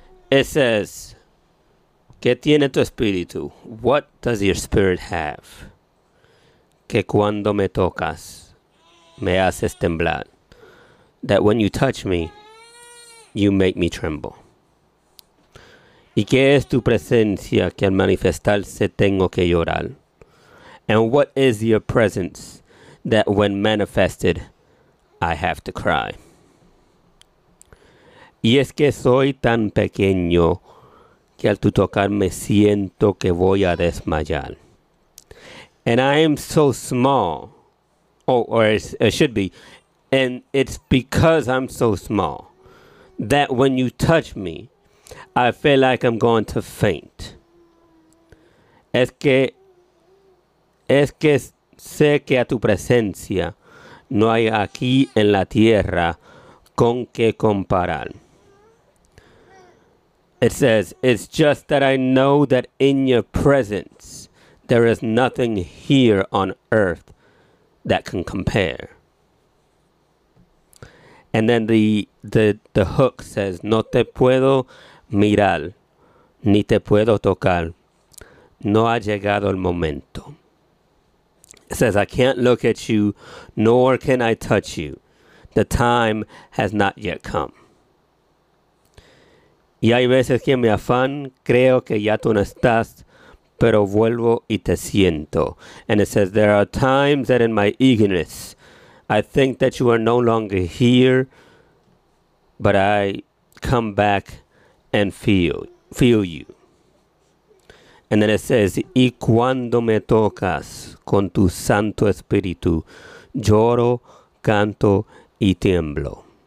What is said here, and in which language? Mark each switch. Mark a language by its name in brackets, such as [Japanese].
[English] It says, [Spanish] ¿Qué tiene tu espíritu? [English] What does your spirit have? [Spanish] Que cuando me tocas, me haces temblar. [English] That when you touch me, you make me tremble. [Spanish] ¿Y qué es tu presencia que al manifestarse tengo que llorar? [English] And what is your presence that when manifested, I have to cry. [Spanish] Y es que soy tan pequeño que al tu tocar me siento que voy a desmayar. [English] And I am so small. Oh, or it should be. And it's because I'm so small that when you touch me, I feel like I'm going to faint. [Spanish] Es que sé que a tu presencia no hay aquí en la tierra con qué comparar. [English] It says, it's just that I know that in your presence there is nothing here on earth that can compare. And then the hook says, [Spanish] no te puedo mirar ni te puedo tocar. No ha llegado el momento. [English] It says, I can't look at you, nor can I touch you. The time has not yet come. [Spanish] Y hay veces que me afán, creo que ya tú no estás, pero vuelvo y te siento. [English] And it says, there are times that in my eagerness, I think that you are no longer here, but I come back and feel you. And then it says, [Spanish] y cuando me tocas con tu santo espíritu, lloro, canto, y tiemblo.